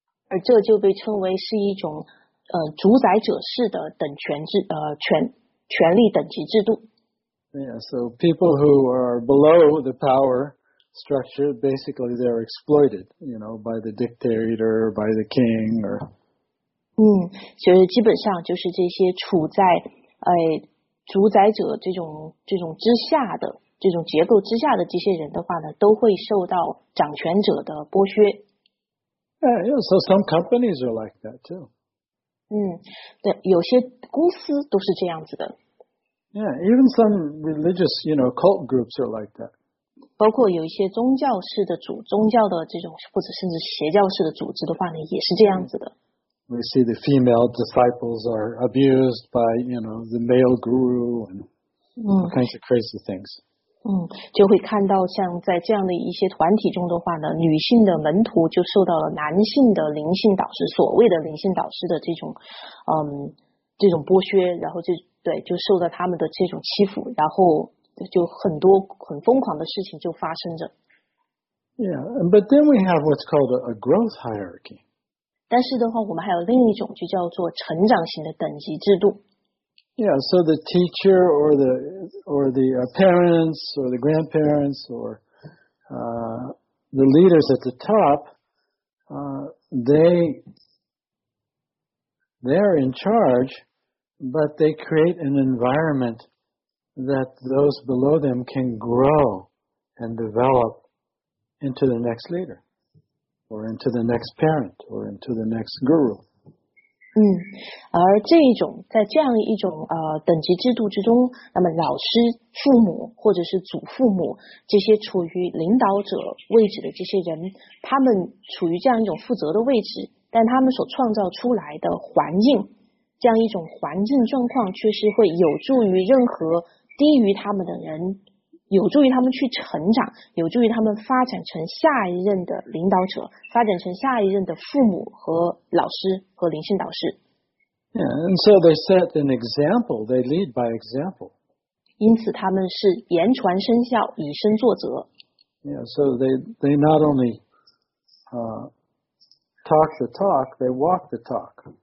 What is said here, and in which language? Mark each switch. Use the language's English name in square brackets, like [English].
[Chinese] 而这就被称为是一种主宰者式的等权制权力等级制度。 [English] Yeah, so people who are below the power structure, basically they're exploited, you know, by the dictator, by the king, or... [Chinese] 就是基本上就是这些处在主宰者这种之下的这种结构之下的这些人的话呢，都会受到掌权者的剥削。 [English] So some companies are like that too. [Chinese] 对，有些公司都是这样子的。 [English] Yeah, even some religious, you know, cult groups are like that. [Chinese] 包括有一些宗教式的组，宗教的这种或者甚至邪教式的组织的话呢，也是这样子的。 [English] We see the female disciples are abused by, you know, the male guru and all kinds of crazy things. [Chinese] 就会看到像在这样的一些团体中的话呢，女性的门徒就受到了男性的灵性导师，所谓的灵性导师的这种剥削，然后就受到他们的这种欺负，然后就很多很疯狂的事情就发生着。 [English] Yeah, but then we have what's called a growth hierarchy. [Chinese] 但是的话，我们还有另一种就叫做成长型的等级制度。 [English] Yeah, so the teacher or the parents or the grandparents or the leaders at the top, they're in charge, but they create an environment that those below them can grow and develop into the next leader or into the next parent or into the next guru. [Chinese] 而这一种在这样一种等级制度之中，那么老师、父母或者是祖父母这些处于领导者位置的这些人，他们处于这样一种负责的位置，但他们所创造出来的环境，这样一种环境状况却是会有助于任何低于他们的人，有助于他们去成长，有助于他们发展成下一任的领导者，发展成下一任的父母和老师和灵性导师。 [English] Yeah, and so they set an example, they lead by example. [Chinese] 因此他们是言传身教，以身作则。 [English] Yeah, so they not only talk the talk, they walk the talk.